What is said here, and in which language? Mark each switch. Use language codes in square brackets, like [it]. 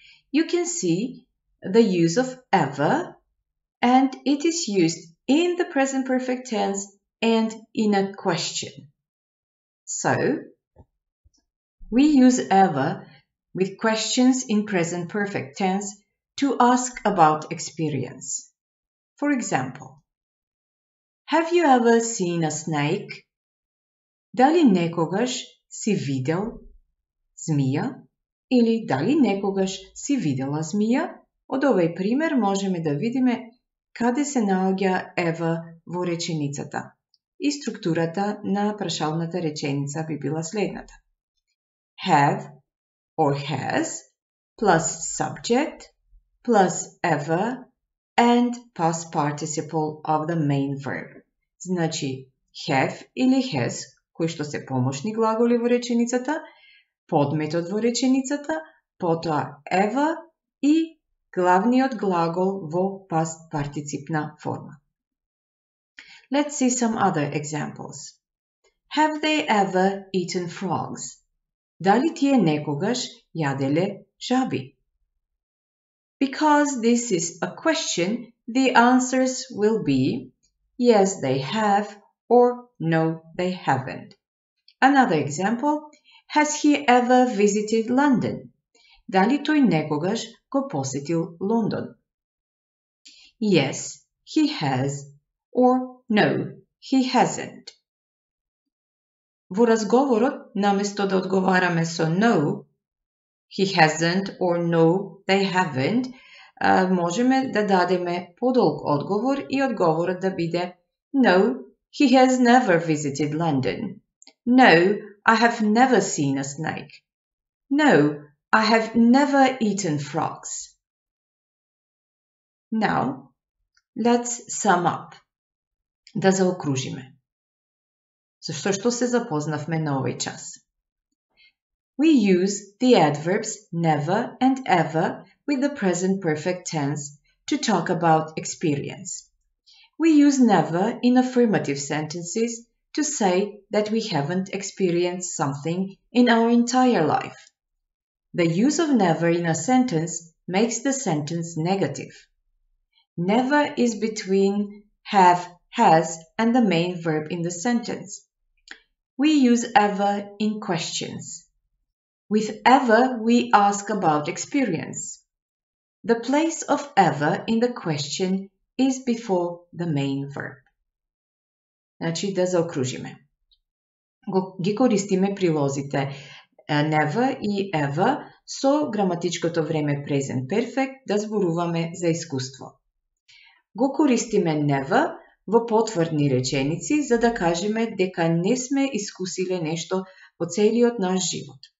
[en] you can see the use of ever, and it is used in the present perfect tense and in a question. So, we use ever with questions in present perfect tense to ask about experience. For example, have you ever seen a snake? [mk] Дали некогаш си видел змија? Или дали некогаш си видела змија? Од овој пример можеме да видиме каде се наоѓа ever во реченицата. И структурата на прашалната реченица би била следната. [en] Have or has plus subject plus ever and past participle of the main verb. [mk] Значи, have или has, кои што се помошни глаголи во реченицата, подметод во реченицата, потоа ever и главниот глагол во past participna форма. [en] Let's see some other examples. Have they ever eaten frogs? [mk] Дали тие некогаш јаделе жаби? [en] Because this is a question, the answers will be yes, they have, or no, they haven't. Another example, has he ever visited London? [mk] Дали тој некогаш го посетил Лондон? [en] Yes, he has, or no, he hasn't. [mk] Во разговорот, наместо да одговараме со [en] no, he hasn't, or no, they haven't, [mk] можеме да дадеме подолг одговор и одговорот да биде [en] no, he has never visited London. No, I have never seen a snake. No, I have never eaten frogs. Now, let's sum up. [mk] Да заокружиме. Зашто што се запознавме на овој час? [en] We use the adverbs never and ever with the present perfect tense to talk about experience. We use never in affirmative sentences to say that we haven't experienced something in our entire life. The use of never in a sentence makes the sentence negative. Never is between have, has, and the main verb in the sentence. We use ever in questions. With ever, we ask about experience. The place of ever in the question is before the main verb. [mk] Значи, да заокружиме. Ги користиме прилозите never и ever со граматичкото време present perfect да зборуваме за искуство. Го користиме never во потврдни реченици за да кажеме дека не сме искусиле нешто во целиот наш живот.